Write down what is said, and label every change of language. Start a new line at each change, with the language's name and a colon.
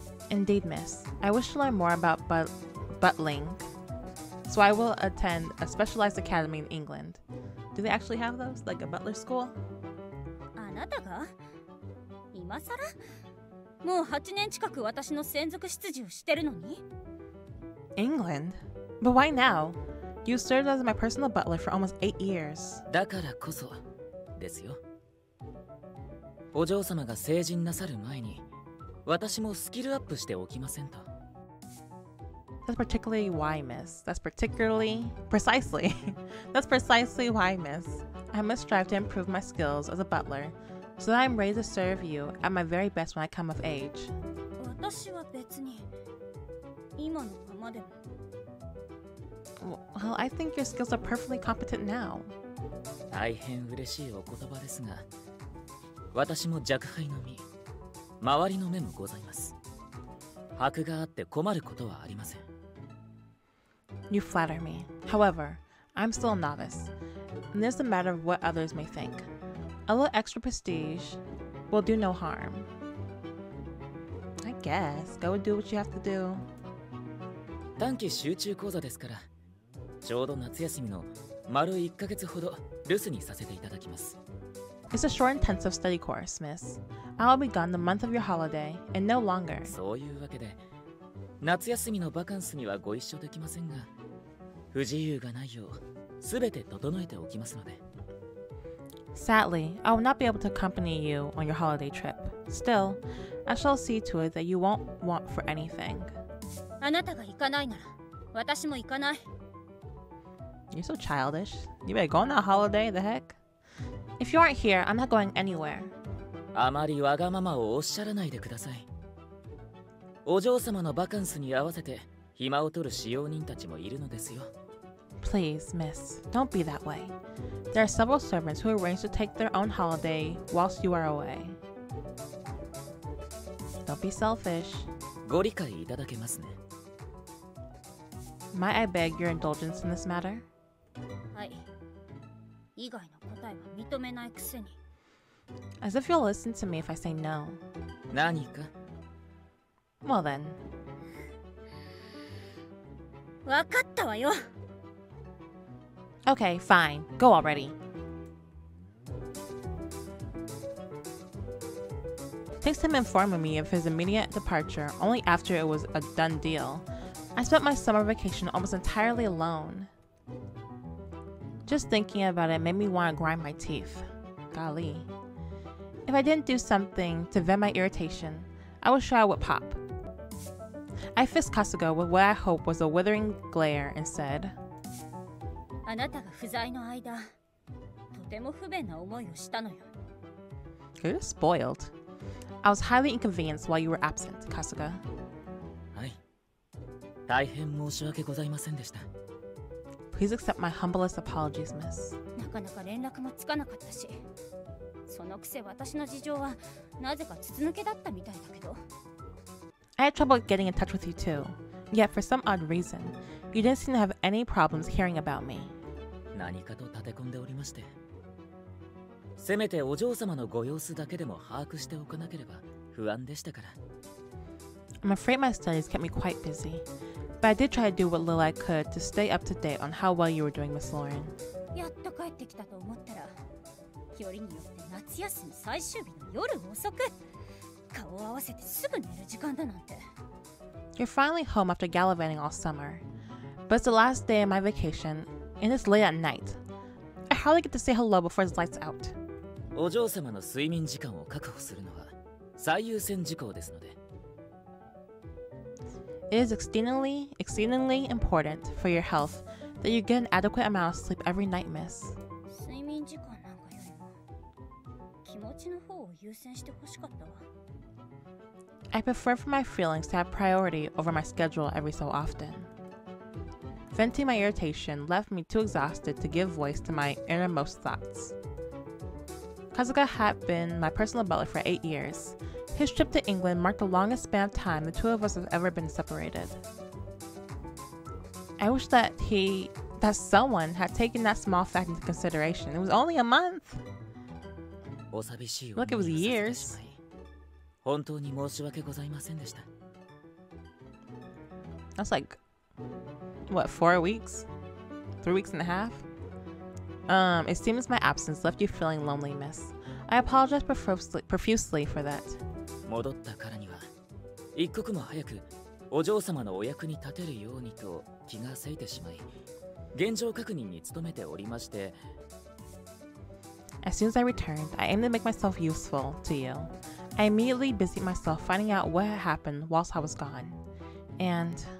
English: Indeed, miss. I wish to learn more about butling. So I will attend a specialized academy in England. Do they actually have those? Like a butler school?
Japanese: あなたが今さらもう8年近く私の専属執事をしてるのに
English: England? But why now? You served as my personal butler for almost 8 years.
Japanese: だからこそですよ。お嬢様が成人なさる前に、私もスキルアップしておきませんと。
English: That's particularly why, miss. That's particularly... Precisely. That's precisely why, miss. I must strive to improve my skills as a butler, so that I'm ready to serve you at my very best when I come of age.
Japanese: 私は別に今のままでも。
English: Well, I think your skills are perfectly competent now.
Japanese: 大変嬉しいお言葉ですが、私も若輩の身、周りの目もございます。箔があって困ることはありません。
English: You flatter me. However, I'm still a novice. And it's a matter of what others may think. A little extra prestige will do no harm. I guess. Go do what you have to do.
Japanese: 短期集中講座ですから、ちょうど夏休みの丸1ヶ月ほど留守にさせていただきます。
English: It's a short intensive study course, miss. I'll be gone the month of your holiday, and no longer.
Japanese: そういうわけで、夏休みのバカンスにはご一緒できませんが、不自由がないよう、すべて整えておきますので。
English: Sadly, I will not be able to accompany you on your holiday trip. Still, I shall see to it that you won't want for anything.
Japanese: あなたが行かないなら、私も行かない。
English: You're so childish. You better go on that holiday, the heck? If you aren't here, I'm not going anywhere.
Japanese: あまりわがままをおっしゃらないでください。お嬢様のバカンスに合わせて、暇を取る使用人たちもいるのですよ。
English: Please, miss, don't be that way. There are several servants who arrange to take their own holiday whilst you are away. Don't be selfish.
Japanese: ご理解いただけますね。
English: Might I beg your indulgence in this matter?
Japanese: はい。以外の答えは認めないくせに。
English: As if you'll listen to me if I say no.
Japanese: 何か?
English: Well then.
Japanese: わかったわよ。
English: Okay, fine. Go already. Thanks to him informing me of his immediate departure only after it was a done deal, I spent my summer vacation almost entirely alone. Just thinking about it made me want to grind my teeth. Golly. If I didn't do something to vent my irritation, I was sure I would pop. I fist Kasuga with what I hoped was a withering glare and said,
Japanese: あなたが不在の間、とても不便な思いをしたのよ。
English: You're spoiled. I was highly inconvenienced while you were absent, Kasuga.
Japanese: はい。大変申し訳ございませんでした。
English: Please accept my humblest apologies, miss.
Japanese: なかなか連絡もつかなかったし、そのくせ私の事情はなぜか筒抜けだったみたいだけど。
English: I had trouble getting in touch with you too. Yet for some odd reason,You didn't seem to have any problems hearing about me.
Japanese: 何かと立て込んでおりまして。せめてお嬢様のご様子だけでも把握しておかなければ不安でしたから。
English: I'm afraid my studies kept me quite busy, but I did try to do what little I could to stay up to date on how well you were doing, Miss Lauren.
Japanese: やっと帰ってきたと思ったら、よりによって夏休み最終日の夜遅く、顔を合わせてすぐ寝る時間だなんて。
English: You're finally home after gallivanting all summer. But it's the last day of my vacation, and it's late at night. I hardly get to say hello before it's lights out.
Japanese: お嬢様の睡眠時間を確保するのは最優先事項ですので。
English: It is exceedingly important for your health that you get an adequate amount of sleep every night, miss.
Japanese: 睡眠時間なんかよりも気持ちの方を優先してほしかったわ。
English: I prefer for my feelings to have priority over my schedule every so often. Venting my irritation left me too exhausted to give voice to my innermost thoughts. Kasuga had been my personal butler for 8 years. His trip to England marked the longest span of time the two of us have ever been separated. I wish that someone had taken that small fact into consideration. It was only a month! Look, it was years.
Japanese: 本当に申し訳ございませんでした。
English: That's like... What, 4 weeks? 3 weeks and a half? It seems my absence left you feeling lonely, miss. I apologize profusely for that.
Japanese: 戻ったからには、一刻も早くお嬢様のお役に立てるようにと気がせいてしまい、現状確認に努めておりまして。
English: As soon as I returned, I aimed to make myself useful to you. I immediately busied myself finding out what had happened whilst I was gone. And...